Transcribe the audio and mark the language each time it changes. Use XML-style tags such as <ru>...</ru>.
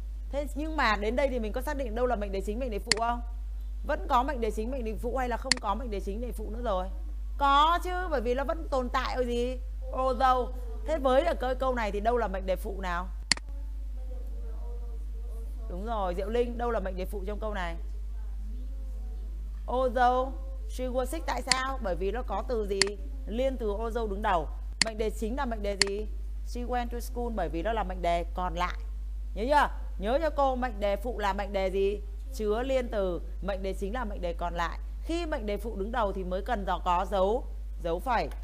<vi>Thế nhưng mà đến đây thì mình có xác định đâu là mệnh đề chính, mệnh đề phụ không? Vẫn có mệnh đề chính, mệnh đề phụ hay là không có mệnh đề chính, mệnh đề phụ nữa rồi? Có chứ, bởi vì nó vẫn tồn tại ở gì? Although. Thế với ở câu này thì đâu là mệnh đề phụ nào? Đúng rồi, Diệu Linh, đâu là mệnh đề phụ trong câu này?</vi> <en>Although she was sick,</en> <vi>tại sao? Bởi vì nó có từ gì? Liên từ although đứng đầu. Mệnh đề chính là mệnh đề gì?</vi> <en>She went to school,</en> <vi>bởi vì nó là mệnh đề còn lại. Nhớ chưa? Nhớ cho cô, mệnh đề phụ là mệnh đề gì? Chứa liên từ, mệnh đề chính là mệnh đề còn lại. Khi mệnh đề phụ đứng đầu thì mới cần có dấu dấu phẩy.</vi>